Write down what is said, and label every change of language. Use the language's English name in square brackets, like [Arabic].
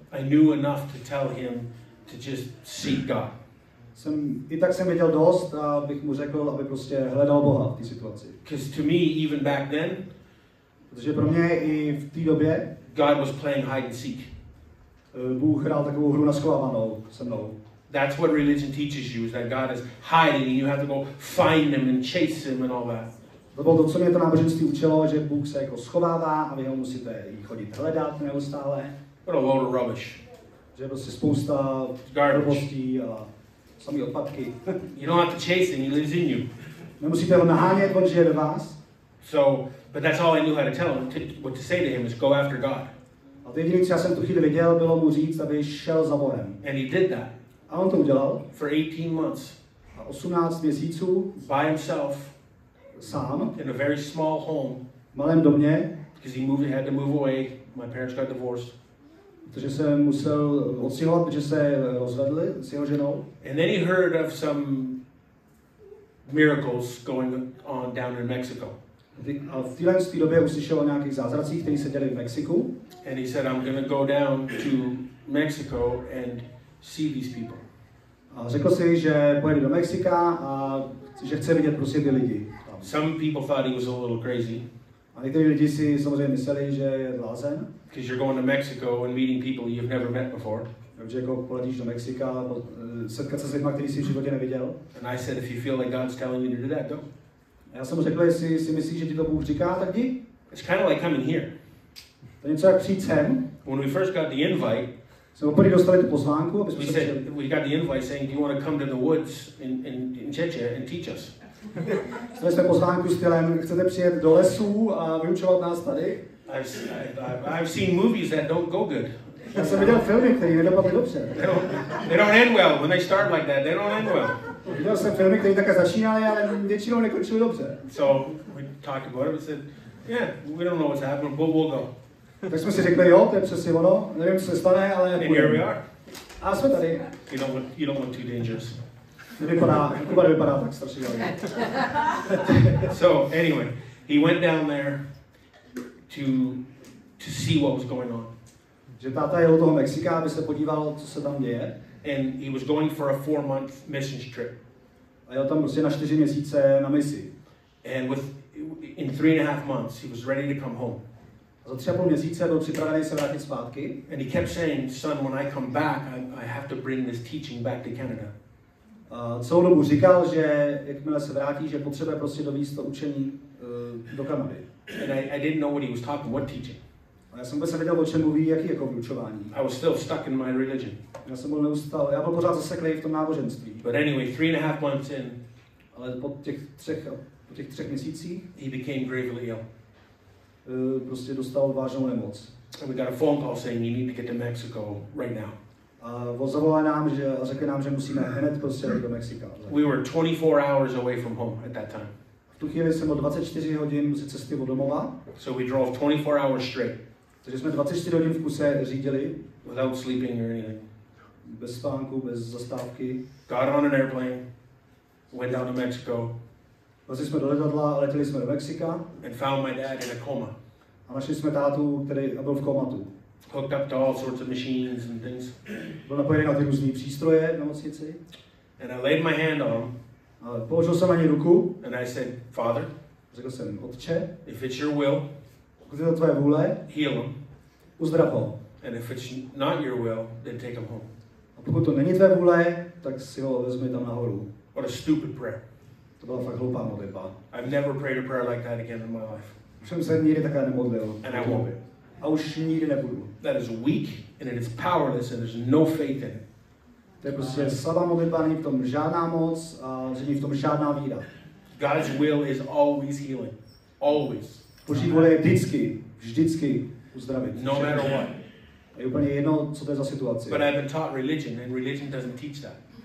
[English] I knew enough to tell him to just seek God. [Czech] Jsem, i tak jsem věděl dost, abych mu řekl, aby prostě hledal Boha v té situaci. [English] Because to me, even back then, [Czech] protože pro mě i v té době, [English] God was playing hide and seek. [Czech] Bůh hrál takovou hru na schovávanou se mnou. [English] That's what religion teaches you, is that God is hiding and you have to go find him and chase him and all that. [Czech] To bylo to, co mě to náboženství učilo, že Bůh se jako schovává a vy ho musíte chodit hledat neustále. [English] What a load of rubbish. [Czech] Že je prostě spousta hrubostí a samý odpadky. [English] You don't have to chase him, he lives in you. [Czech] Nemusíte ho nahánět, on žije ve vás. [English] So, but that's all I knew how to tell him, what to say to him is go after God. [Czech] A A to jediné, co já jsem tu chvíli viděl, bylo mu říct, aby šel za Bohem. [English] And he did that. [Czech] A on to udělal. [English] For 18 months. [Czech] A 18 měsíců. [English] By himself. [Czech] Sám. [English] In a very small home. [Czech] V malém domě. [English] Because he moved, had to move away. My parents got divorced. [Czech] Protože se musel odstěhovat, protože se rozvedli s jeho ženou. [English] And then he heard of some miracles going on down in Mexico. [Czech] A v této době uslyšel o nějakých zázracích, které se děly v Mexiku. [English] And he said, I'm going to go down to Mexico and see these people. [Czech] A řekl si, že pojede do Mexika a že chce vidět prostě ty lidi. [English] Some people thought he was a little crazy. [Czech] A někteří lidi si samozřejmě mysleli, že je blázen. [English] Because you're going to Mexico and meeting people you've never met before. [Czech] Takže jako poletíš do Mexika, setkat se s lidmi, který jsi v životě neviděl. [English] And I said, if you feel like God's telling you to do that, go. [Czech] A já jsem mu řekl, jestli si myslíš, že ti to Bůh říká, tak jdi. [English] It's kind of like coming here. [Czech] To je něco jak přijít sem. [English] When we first got the invite, [Czech] jsme poprvé dostali tu pozvánku, aby jsme se přijeli. [English] We got the invite saying, do you want to come to the woods in Cheche and teach us? [Czech] Dostali jsme pozvánku s tělem, chcete přijet do lesů a vyučovat nás tady? [English] I've seen movies that don't go good. [Czech] Já jsem viděl filmy, které nedopadly dobře. [English] They don't end well. When they start like that, they don't end well. [Czech] Viděl jsem filmy, které také začínaly, ale většinou nekončily dobře. [English] So we talked about it. We said, yeah, we don't know what's happening, but we'll go. [Czech] Tak jsme si řekli, jo, to je přesně ono. Nevím, co se stane, ale půjdem. [English] And here we are. [Czech] A jsme tady. [English] You don't look too dangerous. [Czech] Nevypadá tak strašně. [English] So anyway, he went down there to see what was going on. [Czech] Že táta jel do toho Mexika, aby se podíval, co se tam děje. [English] And he was going for a 4-month missions trip. [Czech] A jel tam prostě na 4 měsíce na misi. [English] And in 3.5 months, he was ready to come home. [Czech] A za 3.5 měsíce byl připravený se vrátit zpátky. [English] And he kept saying, son, when I come back, I have to bring this teaching back to Canada. [Czech] A celou dobu říkal, že jakmile se vrátí, že potřebuje prostě dovést to učení do Kanady. [English] And I didn't know what he was talking, what teaching. [Czech] A já jsem vůbec nevěděl, o čem mluví, jaký jako vyučování. [English] I was still stuck in my religion. [Czech] Já jsem byl neustál, já byl pořád zaseklý v tom náboženství. [English] But anyway, 3.5 months in, [Czech] ale po těch třech měsících, [English] he became gravely ill. [Czech] Prostě dostal vážnou nemoc. [English] And we got a phone call saying, you need to get to Mexico right now. [Czech] A zavolali nám, že a řekli nám, že musíme hned prostě do Mexika. [English] We were 24 hours away from home at that time. [Czech] V tu chvíli jsem byl 24 hodin z cesty od domova. [English] So we drove 24 hours straight. [Czech] Takže jsme 24 hodin v kuse řídili. [English] Without sleeping or anything. [Czech] Bez spánku, bez zastávky. [English] Got on an airplane. Went down to Mexico. [Czech] Vlezli jsme do letadla a letěli jsme do Mexika. [English] And found my dad in a coma. [Czech] A našli jsme tátu, který byl v komatu. [English] Hooked up to all sorts of machines and things. [Czech] Byl napojený na ty různý přístroje na nemocnici. [English] And I laid my hand on him. [Czech] A položil jsem na něj ruku. [English] And I said, Father. [Czech] Řekl jsem, Otče. [English] If it's your will. [Czech] Pokud je to tvoje vůle, [English] heal him. [Czech] Uzdrav ho. [English] And if it's not your will, then take him home. [Czech] A pokud to není tvoje vůle, tak si ho vezmi tam nahoru. [English] What a stupid prayer. [Czech] To byla fakt hloupá modlitba. [English] I've never prayed a prayer like that again in my life. [Czech] Už jsem se nikdy takhle nemodlil. [English] And I won't. [Czech] A už nikdy nebudu. [English] That is weak and it is powerless and there's no faith in it. [Czech] To je prostě slabá modlitba, není v tom žádná moc a není v tom žádná víra. [English] God's will is always healing. Always. [Czech] Boží vůle je vždycky uzdravit. [English] No matter what. [Czech] A je úplně jedno, co to je za situace. [English] But I've been taught religion, and religion doesn't teach that.